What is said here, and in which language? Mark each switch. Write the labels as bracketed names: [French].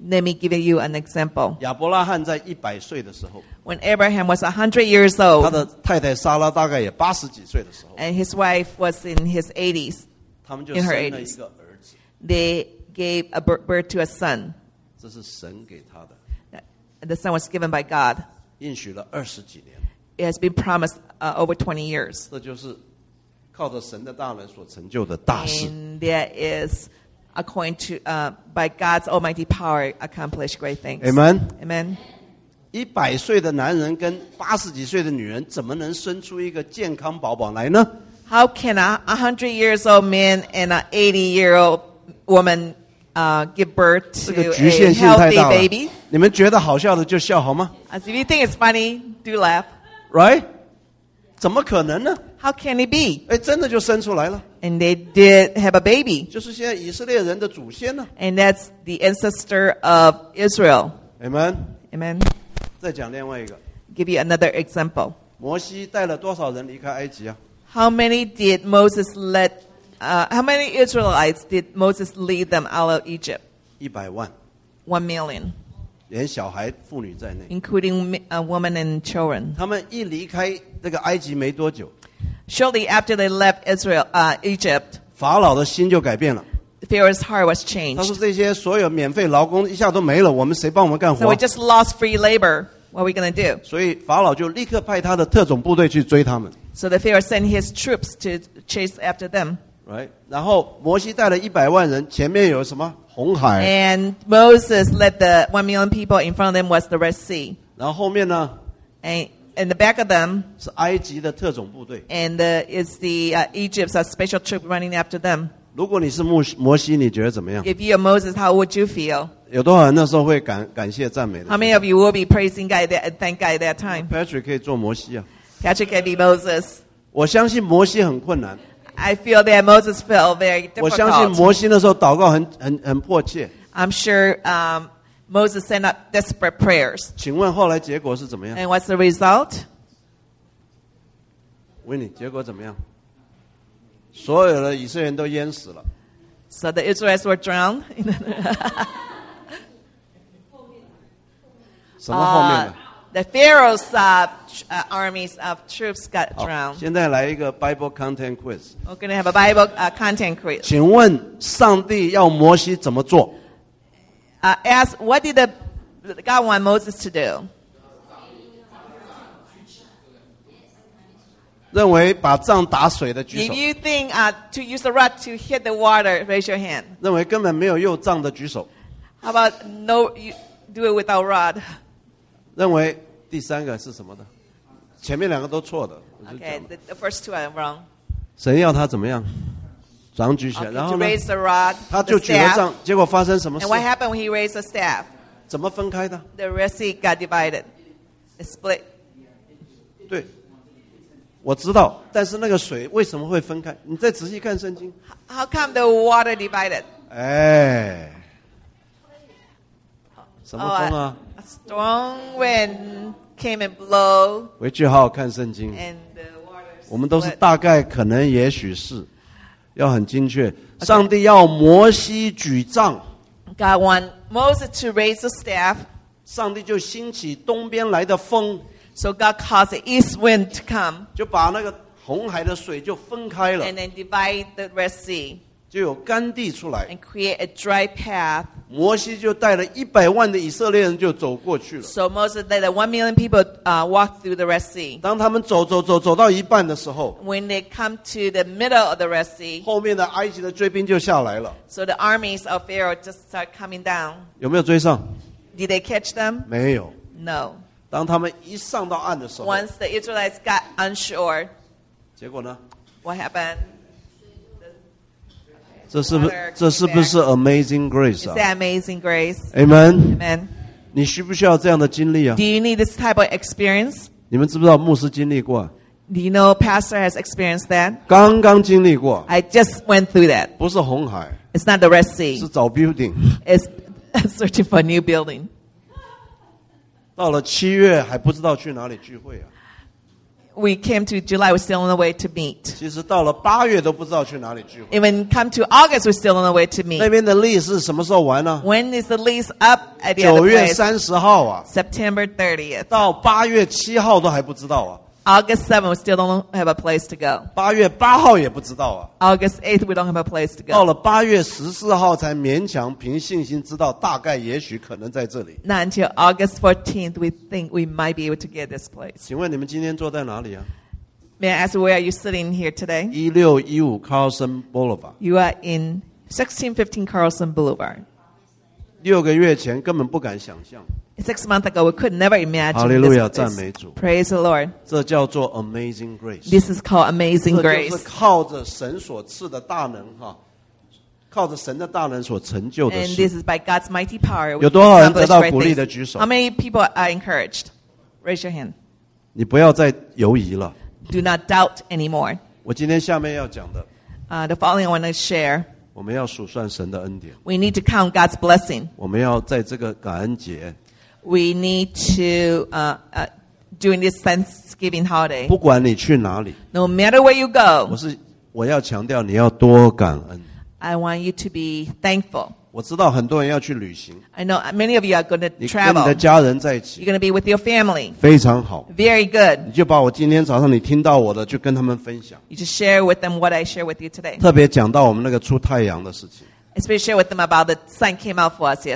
[English] Let me give you an example. [Chinese] 亚伯拉罕在100岁的时候， [English] When Abraham was 100 years old, [Chinese] 他的太太莎拉大概也80几岁的时候， [English] And his wife was in his 80s. [Chinese] 他们就生了一个儿子。 [English] They gave a birth to a son. [Chinese] 这是神给他的。 [English] The son was given by God. [Chinese] 应许了二十几年。 [English] It has been promised over 20 years. [Chinese] 这就是靠着神的大能所成就的大事。 [English] And that is according to by God's almighty power accomplish great things. Amen. Amen. [Chinese] 100岁的男人跟80几岁的女人怎么能生出一个健康宝宝来呢？ [English] How can a 100 years old man and an 80 year old woman give birth to a healthy baby? [Chinese] 这个局限性太大了。你们觉得好笑的就笑好吗？ [English] As if you think it's funny, do laugh. Right? [Chinese] 怎么可能呢? [English] How can it be? [Chinese] 诶,真的就生出来了。 [English] And they did have a baby. [Chinese] 就是现在以色列人的祖先呢。 [English] And that's the ancestor of Israel. Amen. Amen. [Chinese] 再讲另外一个。 [English] Give you another example. [Chinese] 摩西带了多少人离开埃及啊? [English] How many Israelites did Moses lead them out of Egypt? [Chinese] 100万。 [English] 1 million. [Chinese] 连小孩妇女在内 [English] including a woman and children [Chinese] 他们一离开那个埃及没多久 [English] shortly after they left Israel, Egypt [Chinese] 法老的心就改变了 [English] Pharaoh's heart was changed [Chinese] 他说这些所有免费劳工一下都没了我们谁帮我们干活 [English] so we just lost free labor what are we going to do [Chinese] 所以法老就立刻派他的特种部队去追他们 [English] so the Pharaoh sent his troops to chase after them right [Chinese] 然后摩西带了100万人前面有什么红海 [English] and Moses led the 1 million people in front of them was the Red Sea [Chinese] 然后后面呢 [English] and in the back of them [Chinese] 是埃及的特种部队 [English] and it's the Egypt's special troop running after them [Chinese] 如果你是摩西你觉得怎么样 [English] if you're Moses how would you feel [Chinese] 有多少人那时候会感谢赞美的 [English] how many of you will be praising God and thank God at that time [Chinese] Patrick 可以做摩西啊 [English] Patrick can be Moses [Chinese] 我相信摩西很困难 [English] I feel that Moses felt very difficult. [Chinese] 我相信摩西那时候祷告很迫切。 [English] I'm sure Moses sent up desperate prayers. [Chinese] 请问后来结果是怎么样 [English] ？And what's the result? [Chinese] 问你结果怎么样？所有的以色列人都淹死了。 [English] So the Israelites were drowned. [Chinese] 什么后面的？ [English] The Pharaoh's armies of troops got drowned. [Chinese] 现在来一个 [English] Bible content quiz. We're going to have a Bible content quiz. [Chinese] 请问上帝要摩西怎么做？ [English] Ask what did God want Moses to do? [Chinese] 认为把杖打水的举手。 [English] If you think to use the rod to hit the water, raise your hand. [Chinese] 认为根本没有用杖的举手。 [English] How about no? You do it without rod. [Chinese] 认为第三个是什么的？前面两个都错的。 [English] Okay, the first two are wrong. [Chinese] 神要他怎么样？掌举起来， [English] okay, [Chinese] 然后呢？ [English] Raise the rod, [Chinese] 他就举了杖，结果发生什么事 [English] ？And what happened when he raised the staff? [Chinese] 怎么分开的 [English] ？The Red Sea got divided, it split. [Chinese] 对，我知道，但是那个水为什么会分开？你再仔细看圣经。 [English] How come the water divided? [Chinese] 哎，什么风啊？ [English] Strong wind came and blow. [Chinese] 回去好好看圣经。我们都是大概可能也许是，要很精确。上帝要摩西举杖。 [English] God want Moses to raise the staff. [Chinese] 上帝就兴起东边来的风。 [English] So God caused the east wind to come. [Chinese] 就把那个红海的水就分开了。 [English] And then divide the Red Sea. [Chinese] 就有干地出来。 [English] And create a dry path. [Chinese] 摩西就带了100万的以色列人就走过去了。 [English] So Moses led 1 million people walk through the Red Sea. [Chinese] 当他们走到一半的时候 [English] ，When they come to the middle of the Red Sea， [Chinese] 后面的埃及的追兵就下来了。 [English] So the armies of Pharaoh just start coming down. [Chinese] 有没有追上 [English] ？Did they catch them？ [Chinese] 没有。 [English] No. [Chinese] 当他们一上到岸的时候 [English] ，Once the Israelites got on shore， [Chinese] 结果呢 [English] ？What happened？ [Chinese] 这是不是 Amazing Grace 啊 [English] ？Is that Amazing Grace? Amen. Amen. [Chinese] 你需不需要这样的经历啊 [English] ？Do you need this type of experience? [Chinese] 你们知不知道牧师经历过 [English] ？Do you know pastor has experienced that? [Chinese] 刚刚经历过。 [English] I just went through that. [Chinese] 不是红海。 [English] It's not the Red Sea. [Chinese] 是找 building. [English] It's searching for a new building. [Chinese] 到了七月还不知道去哪里聚会啊 [English] we came to July, we're still on the way to meet. [Chinese] 其实到了八月都不知道去哪里聚会。 [English] Even come to August, we're still on the way to meet. [Chinese] 那边的 lease 是什么时候完呢？ [English] When is the lease up at the other place? [Chinese] 9月30号啊。 [English] September 30th. [Chinese] 到八月七号都还不知道啊。 [English] August 7th, we still don't have a place to go. [Chinese] 八月八号也不知道啊。 [English] August 8th, we don't have a place to go. [Chinese] 到了八月十四号才勉强凭信心知道大概也许可能在这里。 [English] Not until August 14th, we think we might be able to get this place. [Chinese] 请问你们今天坐在哪里啊？ [English] May I ask, where are you sitting here today? 1615 Carlson Boulevard. You are in 1615 Carlson Boulevard. [Chinese] 六个月前根本不敢想象。 [English] Six months ago, we could never imagine. Hallelujah, this, [Chinese] 赞美主。 [English] Praise the Lord. [Chinese] 这叫做 amazing grace. [English] This is called amazing grace. [Chinese] 这就是靠着神所赐的大能，靠着神的大能所成就的事。 [English] And this is by God's mighty power. [Chinese] 有多少人得到鼓励的举手？ [English] How many people are encouraged? Raise your hand. [Chinese] 你不要再犹疑了。 [English] Do not doubt anymore. [Chinese] 我今天下面要讲的。 [English] The following I want to share. [Chinese] 我们要数算神的恩典。 [English] We need to count God's blessing. [Chinese] 我们要在这个感恩节。 [English] We need to during this Thanksgiving holiday. [Chinese] 不管你去哪里。 [English] No matter where you go. [Chinese] 我要强调你要多感恩。 [English] I want you to be thankful. [Chinese] 我知道很多人要去旅行。 [English] I know many of you are going to travel. [Chinese] 你跟你的家人在一起。 [English] You're going to be with your family. [Chinese] 非常好。 [English] Very good. [Chinese] 你就把我今天早上你听到我的就跟他们分享。 [English] You just share with them what I share with you today. [Chinese] 特别讲到我们那个出太阳的事情。 [English] Especially share with them about the sun came out for us yesterday.